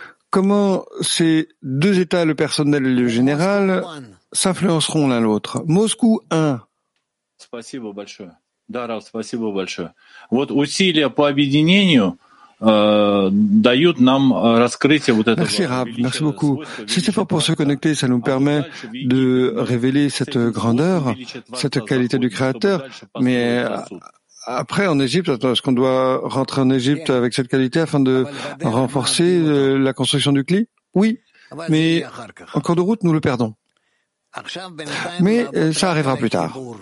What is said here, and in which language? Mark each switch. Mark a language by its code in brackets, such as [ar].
[fr] Comment ces deux états, le personnel et le général, s'influenceront l'un l'autre? Moscou 1. Merci beaucoup. [ru] Да, Рав, спасибо большое. Вот усилия по объединению дают нам раскрытие вот этого. [fr] Merci, Rav. Merci beaucoup. Si c'est fort pour se connecter, ça nous permet de révéler cette grandeur, cette qualité du Créateur. Mais après, en Égypte, est-ce qu'on doit rentrer en Égypte avec cette qualité afin de renforcer la construction du clip? Oui, mais en cours de route, nous le perdons. Mais ça arrivera plus tard.